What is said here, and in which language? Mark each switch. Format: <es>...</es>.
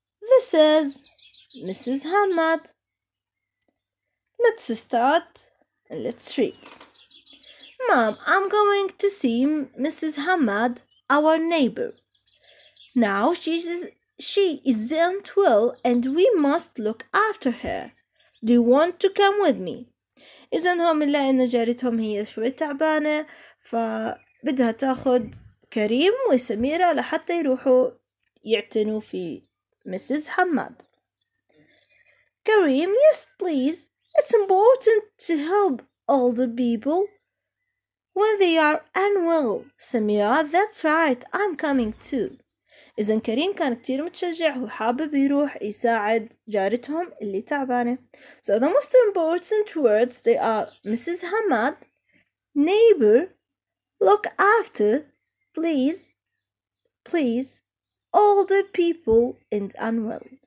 <en>This is Mrs. Hamad. Let's start and let's read. Mom, I'm going to see Mrs. Hamad, our neighbor. Now she isn't well and we must look after her. Do you want to come with me?</en> <ar>إذن هم اللي إنه جارتهم هي شوي تعبانة فبدها تأخذ كريم وسميرة لحتى يروحوا يعتنوا في مسز حماد.</ar> <en>كريم, yes please. It's important to help older people when they are unwell. سميرة, that's right. I'm coming too.</en> <ar>إذن كريم كان كتير متشجع وحابب يروح يساعد جارتهم اللي تعبانة.</ar> <en>So the most important words, they are Mrs. Hamad, neighbor, look after, please, please, older people and unwell.</en>